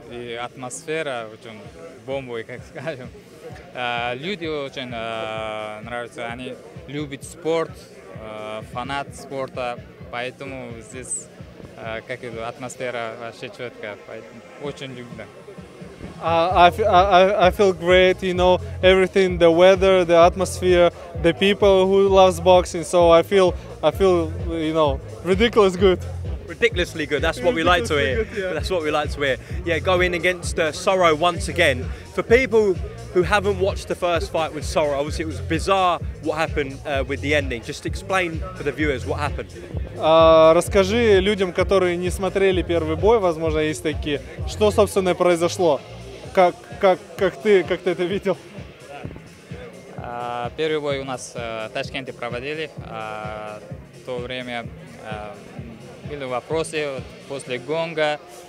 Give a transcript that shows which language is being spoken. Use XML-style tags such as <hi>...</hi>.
<ru>И атмосфера очень бомбовая, как скажем. Люди очень нравятся. Они любят спорт, фанат спорта. Поэтому здесь атмосфера вообще четкая. Поэтому очень любят.</ru> <en>I feel great, you know, everything, the weather, the atmosphere, the people who loves boxing, so I feel, you know, ridiculous good. Ridiculously good, that's what we like to hear. That's what we like to hear. Yeah, going against Soro once again. For people who haven't watched the first fight with Soro, obviously it was bizarre what happened with the ending. Just explain for the viewers what happened.</en> <ru>Расскажи людям, которые не смотрели первый бой, возможно, есть такие, что, собственно, произошло? Как ты это видел? Первый бой у нас в Ташкенте проводили. В то время были вопросы после гонга.</ru>